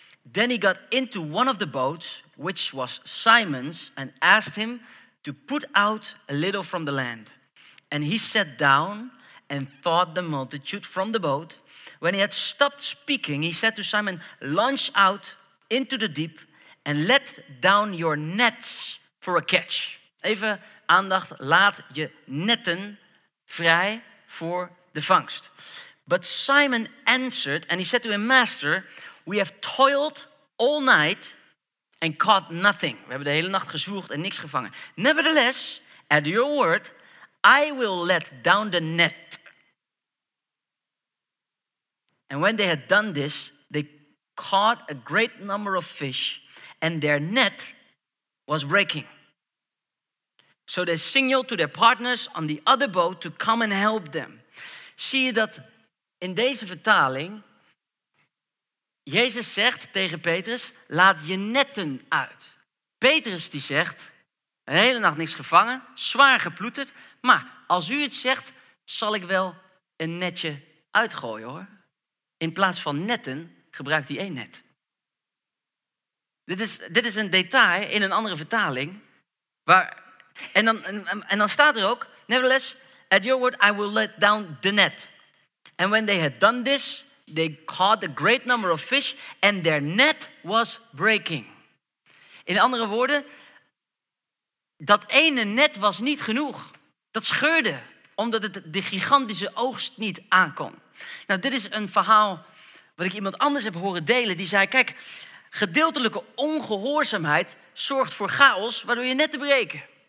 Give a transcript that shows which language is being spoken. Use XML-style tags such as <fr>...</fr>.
<en>Then he got into one of the boats, which was Simon's, and asked him to put out a little from the land. And he sat down and fed the multitude from the boat. When he had stopped speaking, he said to Simon, launch out into the deep and let down your nets for a catch.</en> <nl>Even aandacht, laat je netten vrij voor de vangst.</nl> <en>But Simon answered and he said to him, Master, we have toiled all night and caught nothing.</en> <nl>We hebben de hele nacht gezwoegd en niks gevangen.</nl> <en>Nevertheless, at your word, I will let down the net. And when they had done this, they caught a great number of fish and their net was breaking. So they signaled to their partners on the other boat to come and help them.</en> <nl>Zie je dat in deze vertaling, Jezus zegt tegen Petrus, laat je netten uit. Petrus die zegt, een hele nacht niks gevangen, zwaar geploeterd, maar als u het zegt, zal ik wel een netje uitgooien hoor. In plaats van netten, gebruikt hij één net. Dit is een detail in een andere vertaling. En dan staat er ook,</nl> <en>nevertheless, at your word, I will let down the net. And when they had done this, they caught a great number of fish, and their net was breaking.</en> <nl>In andere woorden, dat ene net was niet genoeg. Dat scheurde, omdat het de gigantische oogst niet aankon. Nou, dit is een verhaal wat ik iemand anders heb horen delen. Die zei, kijk, gedeeltelijke ongehoorzaamheid zorgt voor chaos, waardoor je netten breken.</nl>